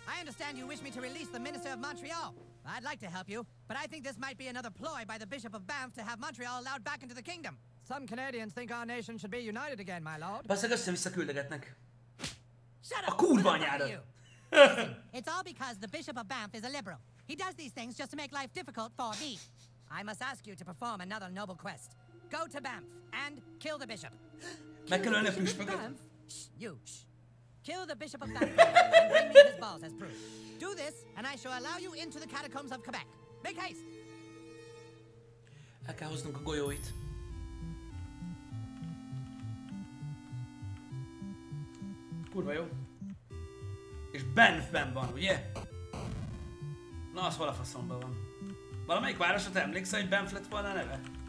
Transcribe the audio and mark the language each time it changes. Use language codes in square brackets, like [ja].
[en] I understand you wish me to release the Minister of Montreal. I'd like to help you, but I think this might be another ploy by the Bishop of Banff to have Montreal allowed back into the kingdom. Some Canadians think our nation should be united again, my lord. [hu] Basszak, össze-vissza küldögetnek. A kurva anyádat! [en] It's all because the Bishop of Banff is a liberal. He does these things just to make life difficult for me. I must ask you to perform another noble quest. Go to Banff and kill the bishop. Kill the bishop of Banff? Shh, you, shh. Kill the bishop of Banff and bring me his balls as proof. Do this and I shall allow you into the catacombs of Quebec. Make haste! [hu] El kell hoznunk a golyóit. Kurva jó. És Banffben van, ugye? Na, az hol a faszomban van? Valamelyik városra te emlékszel, hogy Banff lett volna a neve?